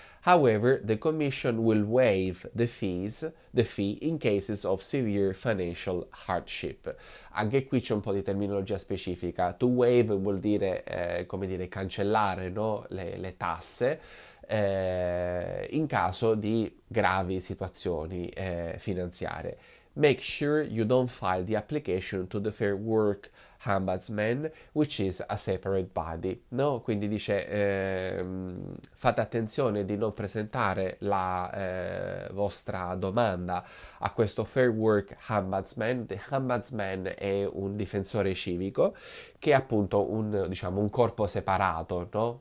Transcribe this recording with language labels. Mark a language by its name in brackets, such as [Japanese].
[English] However, the commission will waive the fee in cases of severe financial hardship. [Italian] Anche qui c'è un po' di terminologia specifica. To waive vuol dire, come dire, cancellare, no, le tasse. In caso di gravi situazioni finanziarie. [English] Make sure you don't file the application to the Fair Work Ombudsman, which is a separate body. [Italian] No? Quindi dice, fate attenzione di non presentare la vostra domanda a questo Fair Work Ombudsman. The Ombudsman è un difensore civico che è appunto diciamo, un corpo separato, no?